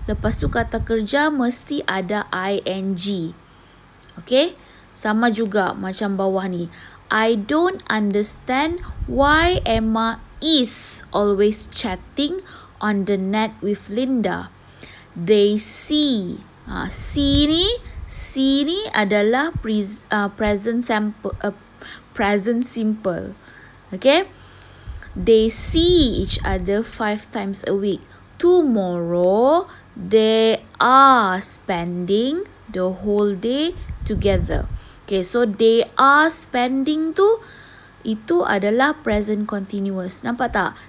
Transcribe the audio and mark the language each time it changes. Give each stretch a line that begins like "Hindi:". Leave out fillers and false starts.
Malay: Lepas tu kata kerja mesti ada ing. Okay, sama juga macam bawah ni.
English: I don't understand why Emma is always chatting on the net with Linda. They see.
Malay: Ha, see ni adalah present simple.
English: Okay. They see each other 5 times a week. Tomorrow, they are spending the whole day together. Okay, so they are spending
Malay: tu, itu adalah present continuous. Nampak tak?